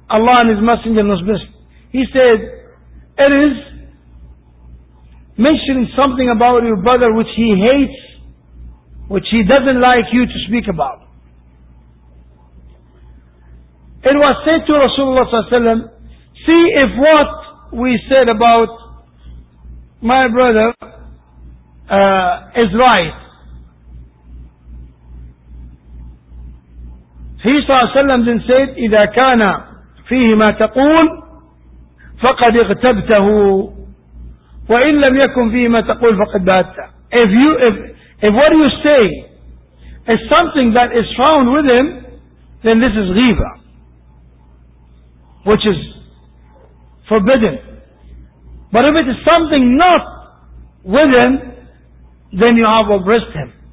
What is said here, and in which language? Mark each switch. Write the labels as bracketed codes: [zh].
[en] Allah and His Messenger knows best. He said, "It is mentioning something about your brother which he hates, which he doesn't like you to speak about." It was said to Rasulullah ﷺ, "See if what we said about my brother is right." He ﷺ then said, [ar] "إذا كان فيه ما تقول فقد اغتبته وَإِنْ لَمْ يَكُنْ فِيهِ مَا تَقُولُ فَقَدْ بَهَتَّ." [en] If what you say is something that is found with him, then this is ghiba, which is forbidden. But if it is something not with him, then you have oppressed him.